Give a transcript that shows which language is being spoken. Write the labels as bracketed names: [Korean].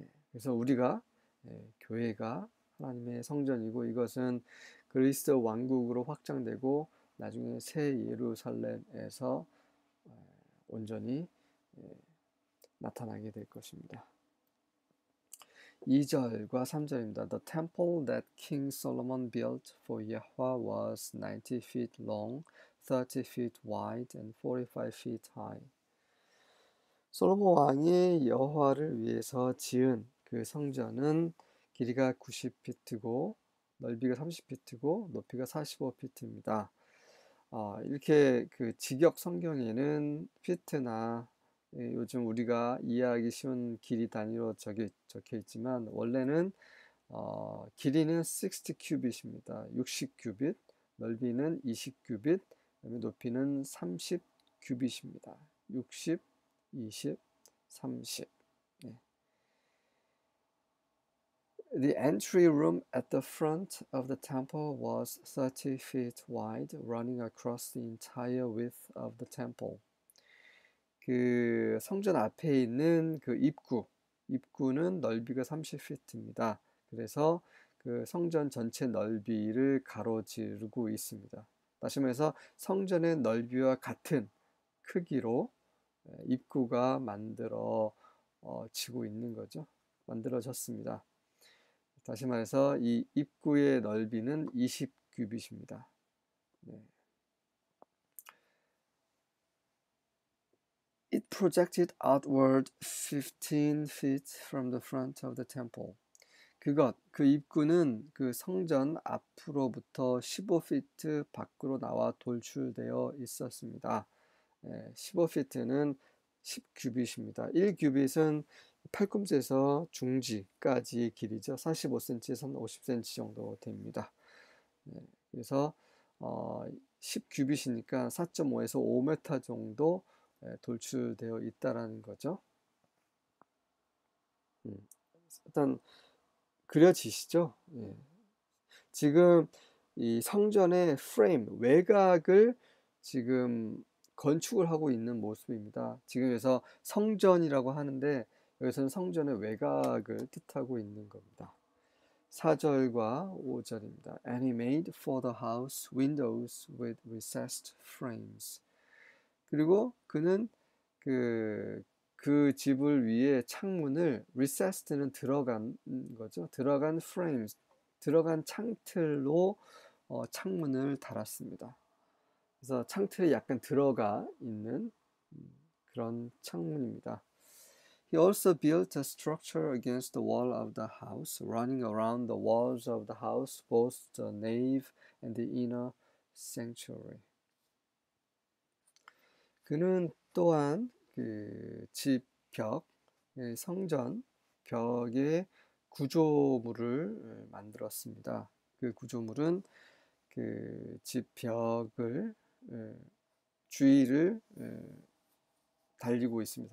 [Korean] 그래서 우리가 교회가 하나님의 성전이고 이것은 그리스도 왕국으로 확장되고 나중에 새 예루살렘에서 온전히 나타나게 될 것입니다. 2절과 3절입니다. [English] The temple that King Solomon built for Yahweh was 90 feet long, 30 feet wide, and 45 feet high. [Korean] 솔로몬 왕이 여호와를 위해서 지은 그 성전은 길이가 90피트고 넓이가 30피트고 높이가 45피트입니다. 이렇게 그 직역 성경에는 피트나 요즘 우리가 이해하기 쉬운 길이 단위로 적혀 있지만 원래는 길이는 60큐빗입니다. 60큐빗, 넓이는 20큐빗, 높이는 30큐빗입니다. 60, 20, 30. [English] The entry room at the front of the temple was 30 feet wide, running across the entire width of the temple. [Korean] 그 성전 앞에 있는 그 입구는 넓이가 30피트입니다. 그래서 그 성전 전체 넓이를 가로지르고 있습니다. 다시 말해서 성전의 넓이와 같은 크기로 입구가 만들어지고 있는 거죠. 만들어졌습니다. 다시 말해서 이 입구의 넓이는 20규빗입니다. 네. [English] It projected outward 15 feet from the front of the temple. [Korean] 그 입구는 그 성전 앞으로부터 15피트 밖으로 나와 돌출되어 있었습니다. 15피트는 10규빗입니다. 1규빗은 팔꿈치에서 중지까지 길이죠. 45cm에서 50cm 정도 됩니다. 네, 그래서 10규빗이니까 4.5에서 5m 정도 돌출되어 있다라는 거죠. 일단 그려지시죠? 네. 지금 이 성전의 프레임, 외곽을 지금 건축을 하고 있는 모습입니다. 지금 여기서 성전이라고 하는데, 여기서는 성전의 외곽을 뜻하고 있는 겁니다. 4절과 5절입니다. [English] And he made for the house windows with recessed frames. [Korean] 그리고 그는 그 집을 위해 창문을 recessed는 들어간 거죠. 들어간 frames, 들어간 창틀로 창문을 달았습니다. 그래서 창틀에 약간 들어가 있는 그런 창문입니다. [English] He also built a structure against the wall of the house, running around the walls of the house, both the nave and the inner sanctuary. [Korean] 그는 또한 그집 벽, 성전 벽의 구조물을 만들었습니다. 그 구조물은 그집 벽을 주위를 달리고 있습니다.